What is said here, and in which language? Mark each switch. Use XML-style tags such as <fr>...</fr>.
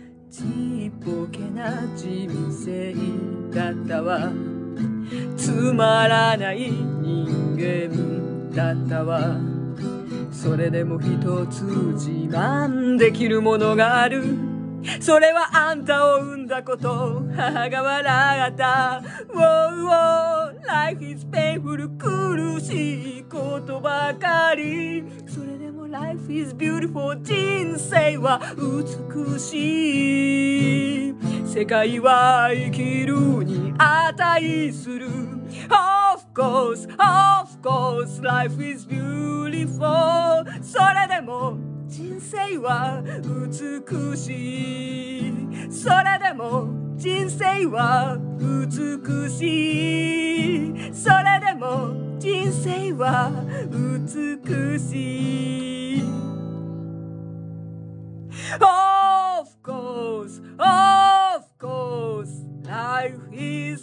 <ja>ちっぽけな人生だったわ。つまらない人間だったわ。それでも一つ自慢できるものがある。それはあんたを産んだこと、母が笑った。</ja> <en>Oh, oh, life is painful,</en> <ja>苦しいことばかり。それでも</ja> <en>life is beautiful,</en> <ja>人生は美しい。世界は生きるに値する。</ja> <en>Of course, of course, life is beautiful.</en> <ja>それでも人生は美しい。それでも人生は美しい。それでも人生は美しい。</ja> <en>Of course, of course, life is</en>